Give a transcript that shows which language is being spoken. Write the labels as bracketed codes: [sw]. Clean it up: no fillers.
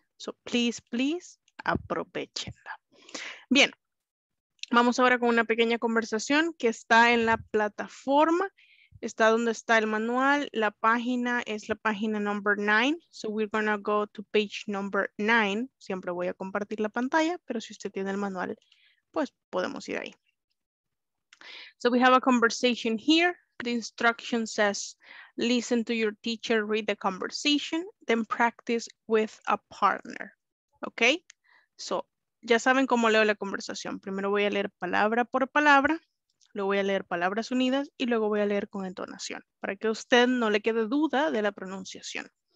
[en] So, please, please, [es] aprovechenla. Bien, vamos ahora con una pequeña conversación que está en la plataforma. Está donde está el manual, la página es la página number 9, [en] so we're gonna go to page number 9, [es] siempre voy a compartir la pantalla, pero si usted tiene el manual, pues podemos ir ahí. [en] So we have a conversation here, the instruction says, listen to your teacher, read the conversation, then practice with a partner, okay? [es] So, ya saben cómo leo la conversación, primero voy a leer palabra por palabra, luego voy a leer palabras unidas y luego voy a leer con entonación para que a usted no le quede duda de la pronunciación.